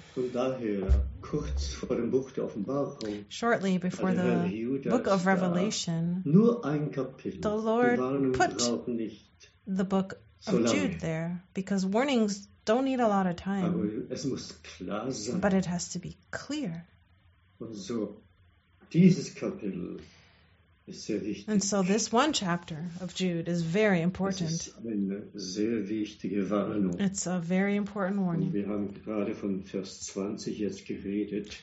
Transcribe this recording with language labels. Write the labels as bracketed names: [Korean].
[German] Von daher, kurz vor dem Buch der Offenbarung, [English] shortly before the Judas Book of Revelation, [German] nur ein Kapitel, [English] the Lord put the Book of Jude there, because warnings don't need a lot of time. [German] Aber es muss klar sein. [English] But it has to be clear. [German] Und so, dieses Kapitel ist sehr wichtig. [English] And so this one chapter of Jude is very important. [German] Es ist eine sehr wichtige Warnung. [English] It's a very important warning. [German] Und wir haben gerade von Vers 20 jetzt geredet.